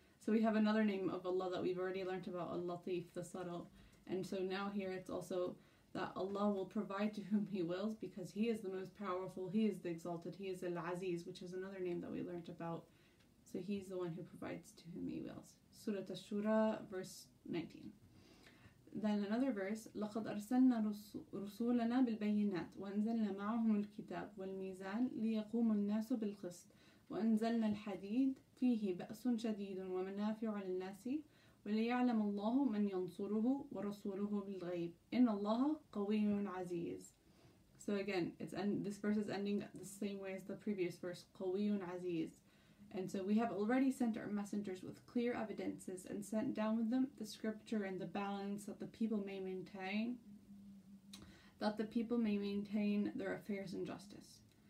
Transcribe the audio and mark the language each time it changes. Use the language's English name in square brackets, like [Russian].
[English] So we have another name of Allah that we've already learned about, Al-Latif, the subtle. And so now here it's also that Allah will provide to whom He wills, because He is the most powerful, He is the exalted, He is Al-Aziz, which is another name that we learned about. So He's the one who provides to whom He wills. Surah Ash-Shura, verse 19. Then another verse, [Arabic] لَقَدْ أَرْسَلْنَا رُسُولَنَا بِالْبَيِّنَاتِ وَأَنْزَلْنَا مَعَهُمُ الْكِتَابِ وَالْمِيزَانِ لِيَقُومُ النَّاسُ بِالْقِسْطِ وَأَنْزَلْنَا الْحَدِيدِ فيه بأس شديد ومنافع للناس وليعلم الله من ينصره ورسوله بالغيب إن الله قوي عزيز. [English] So again, this verse is ending the same way as the previous verse, [Arabic] قوي عزيز. [English] And so we have already sent our messengers with clear evidences and sent down with them the scripture and the balance that the people may maintain, their affairs and justice.